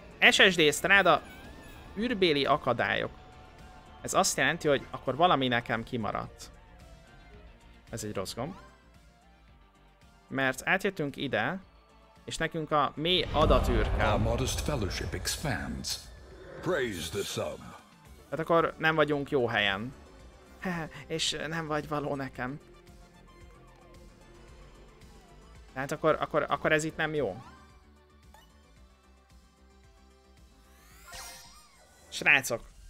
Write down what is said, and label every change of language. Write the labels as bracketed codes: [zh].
[hu] SSD Strada, űrbéli akadályok. Ez azt jelenti, hogy akkor valami nekem kimaradt. Ez egy rossz gomb. Mert átjöttünk ide, és nekünk a mély adatűr kell. [en] Our modest fellowship expands. Praise the sun. [hu] Tehát akkor nem vagyunk jó helyen. És nem vagy való nekem. Tehát akkor ez itt nem jó. Srácok.